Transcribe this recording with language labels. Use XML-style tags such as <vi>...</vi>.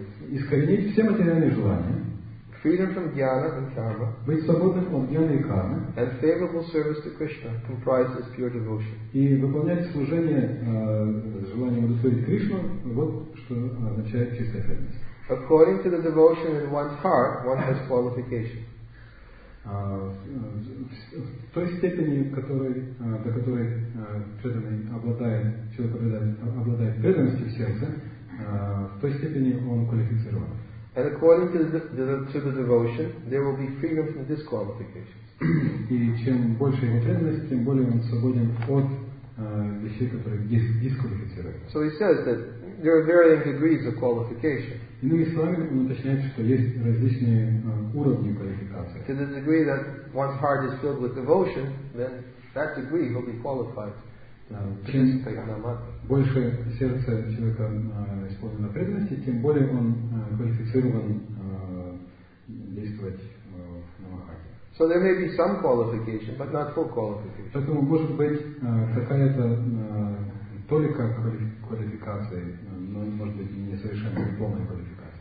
<ru>Искоренить все материальные желания.</ru> <en>Freedom from jnana and karma.</en> <ru>Быть свободным от jnana и кармы.</ru> <en>And favorable service to Krishna comprises pure devotion.</en> <ru>И выполнять служение желанием удовлетворить Кришну, вот что означает чистая преданность.</ru> <en>According to the devotion in one's heart, one has qualification.</en> <ru>В той степени, до которой преданный обладает, человек обладает преданностью в сердце, в той степени он квалифицирован.</ru> <en>And according to the devotion, there will be freedom from disqualifications.</en> <ru>И чем больше его преданность, тем более он свободен от вещей, которые дисквалифицируют.</ru> <en>So he says that there are varying degrees of qualification.</en> <ru>Иными словами, он уточняет, что есть различные уровни квалификации.</ru> <en>To the degree that one's heart is filled with devotion, then that degree will be qualified.</en> <ru>Чем больше сердце человека исполнено преданности, тем более он квалифицирован действовать на махате.</ru> <en>So there may be some qualification, but not full qualification.</en> <ru>Поэтому может быть какая-то толика квалификации, но может быть не совершенно полная квалификация.</ru>